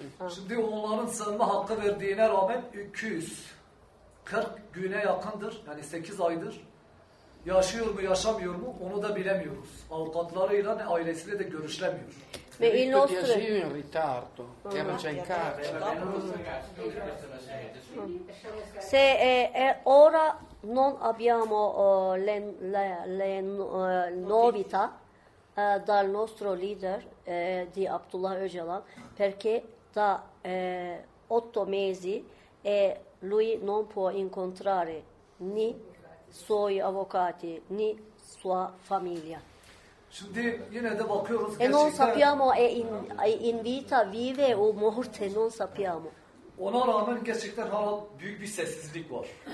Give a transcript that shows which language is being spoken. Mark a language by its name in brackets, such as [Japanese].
[Turkish] Şimdi onların sığınma hakkı verdiğine rağmen 240 güne yakındır, yani 8 aydır yaşıyor mu yaşamıyor mu onu da bilemiyoruz. Avukatlarıyla ne ailesiyle de görüşlemiyor. [Italian] Ve il nostro asilo in ritardo, che era già in carcere. Se ora non abbiamo le novità dal nostro leader di Abdullah Öcalan, perché da 8 mesi lui non può incontrare né suoi avvocati né sua famiglia. [Turkish] Şimdi yine de bakıyoruz gerçekten. [Italian] Non sappiamo in vita vive o morte, non sappiamo. [Turkish] Ona rağmen gerçekten hala büyük bir sessizlik var.